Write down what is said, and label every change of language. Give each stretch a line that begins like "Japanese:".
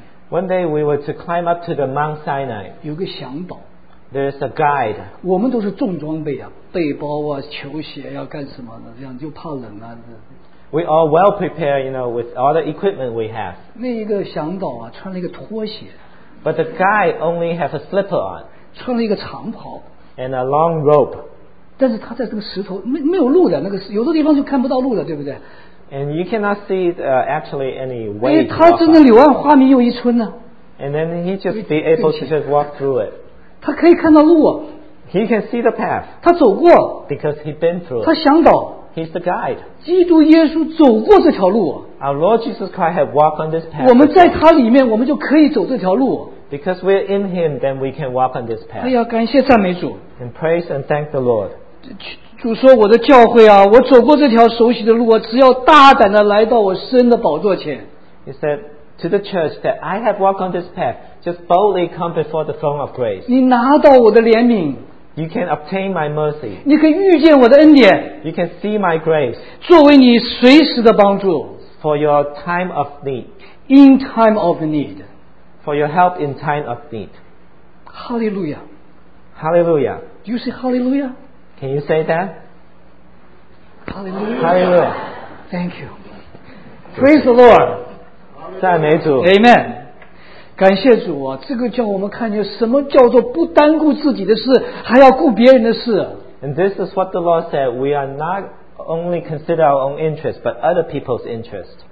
English: one day we were to climb up to the Mount Sinai.
Chinese: 有个向导,
English: there's a guide.
Chinese: 我们都是重装备啊, 背包啊, 球鞋啊, 干什么的, 这样就怕冷啊,
English: we all well prepared, you know, with all the equipment we have.
Chinese: 那一个向导啊, 穿了一个拖鞋,
English: but the guide only has a slipper on.
Chinese: 穿了一个长袍,
English: and a long rope.
Chinese: 但是他在这个石头, 没有路的, 那个, 有的地方就看不到路的, 对不对?
English: And you cannot see actually any way.
Chinese: 他真的柳暗花明又一村呢?
English: And then he just be able to just walk through it.
Chinese: 他可以看到路,
English: he can see the path.
Chinese: 他走过,
English: because he's been through it.
Chinese: 他向导,
English: he's the guide.
Chinese: 基督耶稣走过这条路,
English: our Lord Jesus Christ has walked on this path.
Chinese: 我们在他里面, 我们就可以走这条路,
English: because we're in him, then we can walk on this path.
Chinese: 哎呀, 感谢赞美主,
English: and praise and thank the Lord.
Chinese: 主说我的教会啊, 我走过这条熟悉的路啊, 只要大胆地来到我施恩的宝座前。
English: He said to the church that I have walked on this path, just boldly come before the throne of grace.
Chinese: 你拿到我的怜悯,
English: you can obtain my mercy.
Chinese: 你可以遇见我的恩典,
English: you can see my grace.
Chinese: 作为你随时的帮助,
English: for your time of need. In time of need. For your help in time of need. Hallelujah. Hallelujah. Do you say hallelujah? Can you say that? Hallelujah. Hallelujah. Thank you. Praise the Lord.
Chinese: 赞美主。
English: Amen.
Chinese: 感谢主啊, 这个叫我们看见什么叫做不单顾自己的事, 还要顾别人的事。
English: And this is what the Lord said, we are not only consider our own interest, but other people's interest.